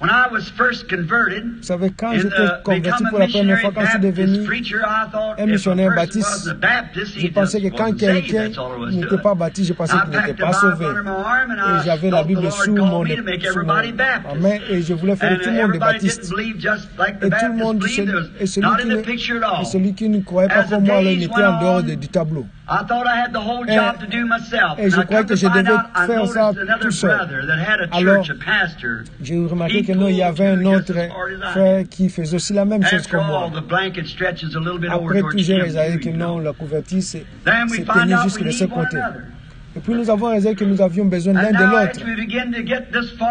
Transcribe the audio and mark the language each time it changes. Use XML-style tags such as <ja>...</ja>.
<fr>Vous savez, quand j'étais converti pour la première fois, quand je suis devenu un missionnaire baptiste, je pensais que quand quelqu'un n'était pas baptiste, je pensais qu'il n'était pas sauvé. Et j'avais la Bible sous mon main et je voulais faire tout le monde baptiste. Et tout le monde, celui qui ne croyait pas pour moi, il était en dehors du tableau.</fr> <en>I thought I had the whole job to do myself.</en> <fr>Et je croyais que je devais faire ça tout seul. Alors, j'ai remarqué que non, il y avait un autre frère qui faisait aussi la même chose que moi. Après tout, j'ai réalisé que non, la couverture s'est tenue jusqu'à de ce côté. Et puis nous avons réalisé que nous avions besoin l'un de l'autre.</fr>